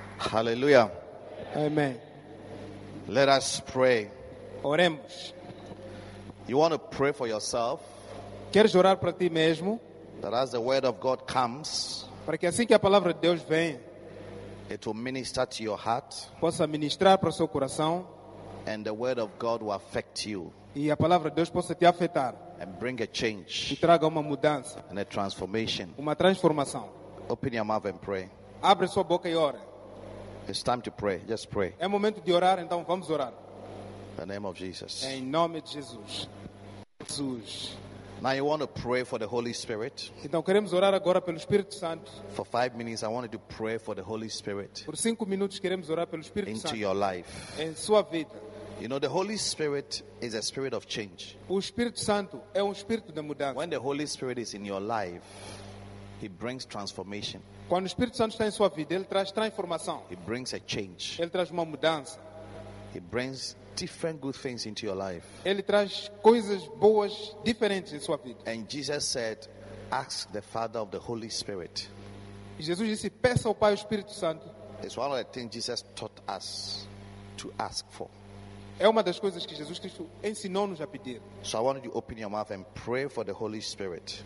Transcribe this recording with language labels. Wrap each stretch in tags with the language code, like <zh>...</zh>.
<pt>Aleluia. Amém.</pt> <en>Let us pray.</en> <pt>Oremos.</pt> <en>You want to pray for yourself?</en> <pt>Queres orar para ti mesmo?</pt> <en>That as the word of God comes,</en> <pt>para que assim que a palavra de Deus vem,</pt> <en>it will minister to your heart,</en> <pt>possa ministrar para o seu coração,</pt> <en>and the word of God will affect you,</en> <pt>e a palavra de Deus possa te afetar,</pt> <en>and bring a change,</en> <pt>e traga uma mudança,</pt> <en>and a transformation,</en> <pt>uma transformação.</pt> <en>Open your mouth and pray.</en> <pt>Abre sua boca e ore.</pt> <en>It's time to pray. Just pray.</en> <pt>É momento de orar, então vamos orar.</pt> <en>The name of Jesus.</en> <pt>Em nome de Jesus. Jesus.</pt> <en>Now you want to pray for the Holy Spirit.</en> <pt>Então queremos orar agora pelo Espírito Santo.</pt> <en>For 5 minutes, I wanted to pray for the Holy Spirit.</en> <pt>Por 5 minutos queremos orar pelo Espírito</pt> <en>into</en> <pt>Santo.</pt> <en>Into your life.</en> <pt>Em sua vida.</pt> <en>You know, the Holy Spirit is a spirit of change.</en> <pt>O Espírito Santo é espírito de mudança.</pt> <en>When the Holy Spirit is in your life, He brings transformation.</en> <pt>Quando o Espírito Santo está em sua vida, ele traz transformação.</pt> <en>He brings a change.</en> <pt>Ele traz uma mudança.</pt> <en>He brings different good things into your life.</en> <pt>Ele traz coisas boas diferentes em sua vida.</pt> <en>And Jesus said, "Ask the Father of the Holy Spirit."</en> <pt>E Jesus disse, peça ao Pai o Espírito Santo.</pt> <en>It's one of the things Jesus taught us to ask for.</en> <pt>É uma das coisas que Jesus Cristo ensinou-nos a pedir.</pt> <en>So I want you to open your mouth and pray for the Holy Spirit.</en>